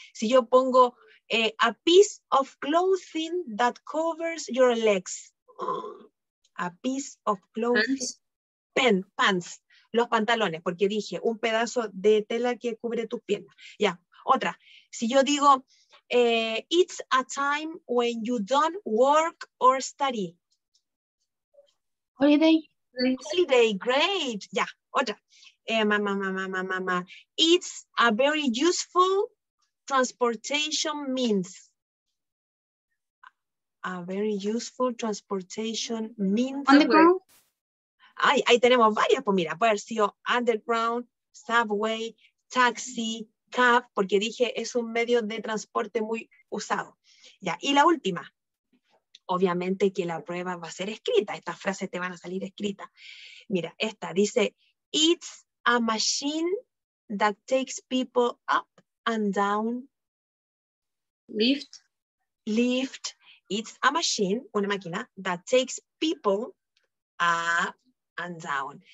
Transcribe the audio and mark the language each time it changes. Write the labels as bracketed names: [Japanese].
[Spanish] Si yo pongo [English] a piece of clothing that covers your legs. A piece of clothing. Pants. [Spanish] Los pantalones, porque dije un pedazo de tela que cubre tus piernas. Ya, otra. [English] Si yo digo, it's a time when you don't work or study. Holiday. Holiday, great. [Spanish] Ya, otra. [English] It's a very useful transportation means. A very useful transportation means. Underground. [Spanish] Ay, ahí tenemos varias, pues mira, puede haber sido underground, subway, taxi, cab, porque dije es un medio de transporte muy usado. Ya, y la última. Obviamente que la prueba va a ser escrita, estas frases te van a salir escritas. Mira, esta dice, [English] it's a machine that takes people up and down. Lift. Lift. It's a machine, [Spanish] una máquina, [English] that takes people up and down.